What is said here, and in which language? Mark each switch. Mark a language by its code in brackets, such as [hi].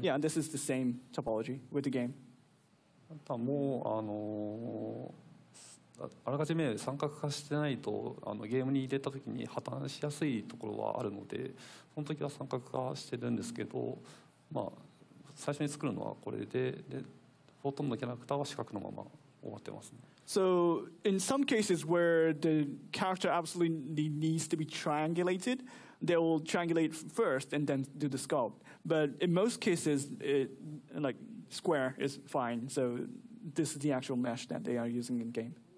[en] Yeah, this is the same topology with the game. [ja] あとはもうあのあらかじめ三角化してないとあのゲームに入れた時に破綻しやすいところはあるのでその時は三角化してるんですけど、まあ、最初に作るのはこれ でほとんどのキャラクターは四角のまま終わってますね。 [en] So in some cases where the character absolutely needs to be triangulated, they will triangulate first and then do the sculpt. But in most cases, it, like square is fine. So this is the actual mesh that they are using in game.